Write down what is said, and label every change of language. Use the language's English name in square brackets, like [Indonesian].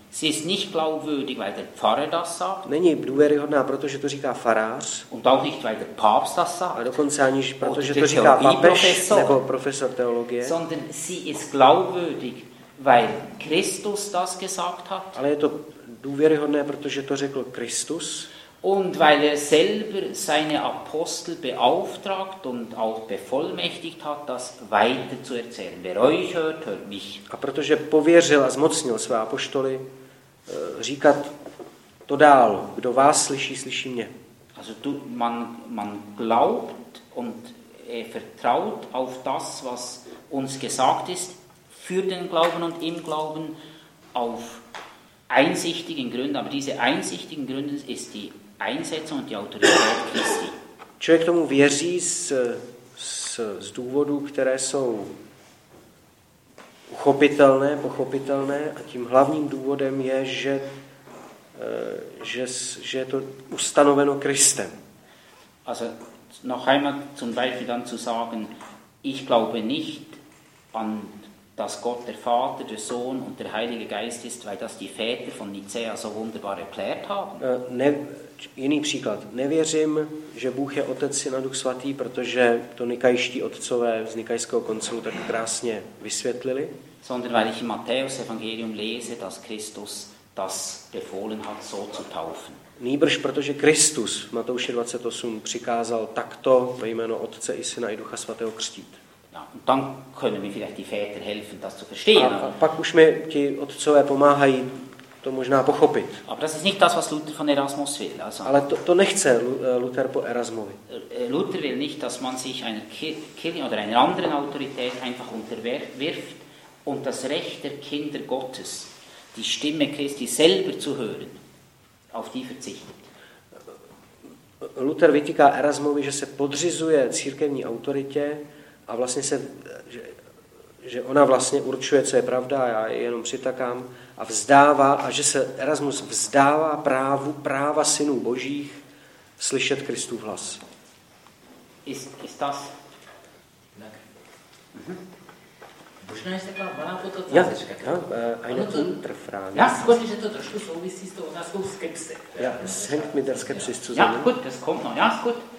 [German] Sie ist nicht glaubwürdig, weil der Pfarrer das sagt. [Czech] Není důvěryhodná, protože to říká farář. [German] Und auch nicht, weil der Papst das sagt. [Czech] Ale dokonce aniž, protože to říká papež nebo profesor teologie. [German] Sondern sie ist glaubwürdig, weil Christus das gesagt hat. [Czech] Ale je to důvěryhodné, protože to řekl Kristus. [German] Und weil er selber seine Apostel beauftragt und auch bevollmächtigt hat, das weiter zu erzählen. Wer euch hört, hört mich. [Czech] A protože pověřil a zmocnil své apoštoly říkat to dál, kdo vás slyší, slyší mě. [German] Also tu, man glaubt und er vertraut auf das, was uns gesagt ist, für den Glauben und im Glauben, auf einsichtigen Gründen, aber diese einsichtigen Gründen ist die Einsetzung und die Autorität Christi. [Czech] Člověk tomu věří z důvodů, které jsou uchopitelné, pochopitelné, a tím hlavním důvodem je, že je to ustanoveno Kristem. [German] Also noch einmal zum Beispiel dann zu sagen, ich glaube nicht an dass Gott der Vater, der Sohn und der Heilige Geist ist, weil das die Väter von Nicea so wunderbar erklärt haben. [Czech] Jiný příklad. Nevěřím, že Bůh je Otec, Syn a Duch Svatý, protože to nikajští otcové z Nikajského koncilu tak krásně vysvětlili. [German] Sondern weil ich im Matthäus-Evangelium lese, dass Christus das befohlen hat, so zu taufen. [Czech] Nýbrž, protože Kristus v Matouši 28 přikázal takto ve jméno Otce i Syna i Ducha Svatého křtít. [German] Ja, und dann können mir vielleicht die Väter helfen, das zu verstehen. [Czech] Pak už mi ti otcové pomáhají to možná pochopit. [German] Aber das ist nicht das, was Luther von Erasmus will. Also, [Czech] ale to nechce Luther po Erasmovi. [German] Luther will nicht, dass man sich einer Kirche oder einer anderen Autorität einfach unterwirft und das Recht der Kinder Gottes, die Stimme Christi selber zu hören, auf die verzichtet. [Czech] Luther vytýká Erasmovi, že se podřizuje církevní autoritě, a vlastně že ona vlastně určuje, co je pravda, já jenom přitakám, a vzdává, a že se Erasmus vzdává práva synů božích slyšet Kristův hlas. [German] Is das? [Czech] Tak. Mhm. Možná ještě taková malá podotázečka. [German] Ja, eine Unterfrage. [Czech] Já si myslím, že to trošku souvisí s tou otázkou skepse. [German] Ja, es hängt mit der Skepsis zusammen. Ja, gut, das kommt noch. Ja, gut.